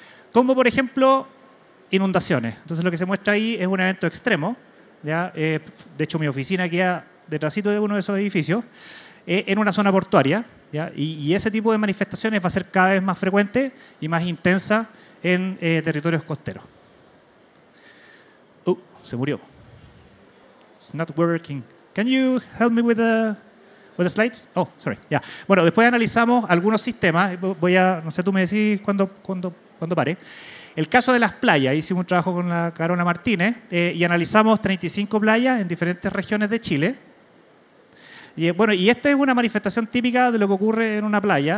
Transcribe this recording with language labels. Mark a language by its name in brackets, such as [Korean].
[Spanish] Como, por ejemplo, inundaciones. Entonces, lo que se muestra ahí es un evento extremo, ¿ya? De hecho, mi oficina queda detrásito de uno de esos edificios, en una zona portuaria. ¿Ya? Y ese tipo de manifestaciones va a ser cada vez más frecuente y más intensa en territorios costeros. Se murió. [English] It's not working. Can you help me with the slides? Oh, sorry. Yeah. [Spanish] Bueno, después analizamos algunos sistemas. Voy a, no sé, tú me decís cuándo pare. El caso de las playas, hicimos un trabajo con la Carola Martínez y analizamos 35 playas en diferentes regiones de Chile. Y, bueno, y esta es una manifestación típica de lo que ocurre en una playa.